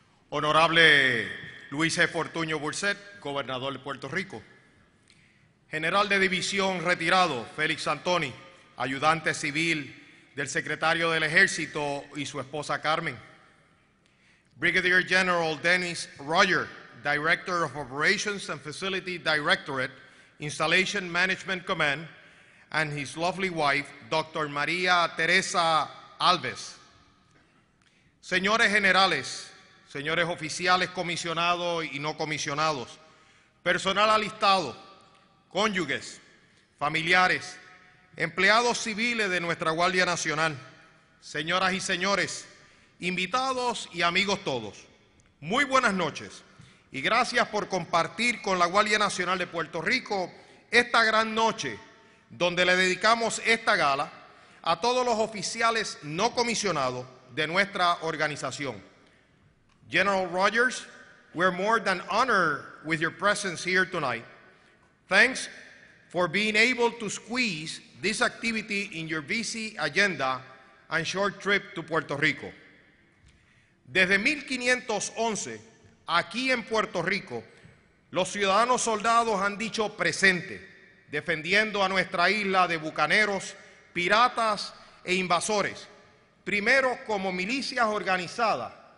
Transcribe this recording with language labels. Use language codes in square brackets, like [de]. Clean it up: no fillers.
[es] Honorable Luis E. Fortuño Burset, gobernador de Puerto Rico. General de División retirado, Félix Antoni, ayudante civil del secretario del Ejército y su esposa Carmen. [en] Brigadier General Dennis Roger, Director of Operations and Facility Directorate, Installation Management Command, and his lovely wife, Dr. María Teresa Alves. [es] Señores generales, señores oficiales comisionados y no comisionados, personal alistado, cónyuges, familiares, empleados civiles de nuestra Guardia Nacional, señoras y señores, invitados y amigos todos, muy buenas noches y gracias por compartir con la Guardia Nacional de Puerto Rico esta gran noche donde le dedicamos esta gala a todos los oficiales no comisionados de nuestra organización. [en] General Rogers, we're more than honored with your presence here tonight. Thanks for being able to squeeze this activity in your busy agenda and short trip to Puerto Rico. [es] Desde 1511, aquí en Puerto Rico, los ciudadanos soldados han dicho presente, defendiendo a nuestra isla de bucaneros, piratas e invasores, primero como milicias organizadas